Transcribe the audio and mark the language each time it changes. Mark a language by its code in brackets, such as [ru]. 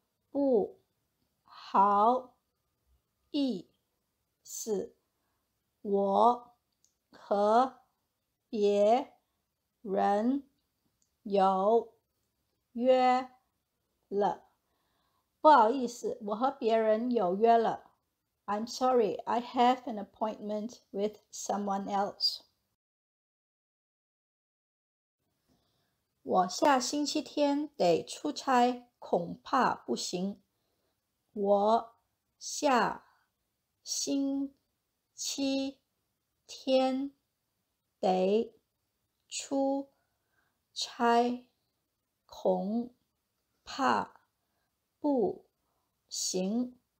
[zh] 不好意思，我和别人有约了。不好意思，我和别人有约了。 [en] I'm sorry, I have an appointment with someone else. [zh] 我下星期天得出差，恐怕不行。我下星期天得出差，恐怕不行。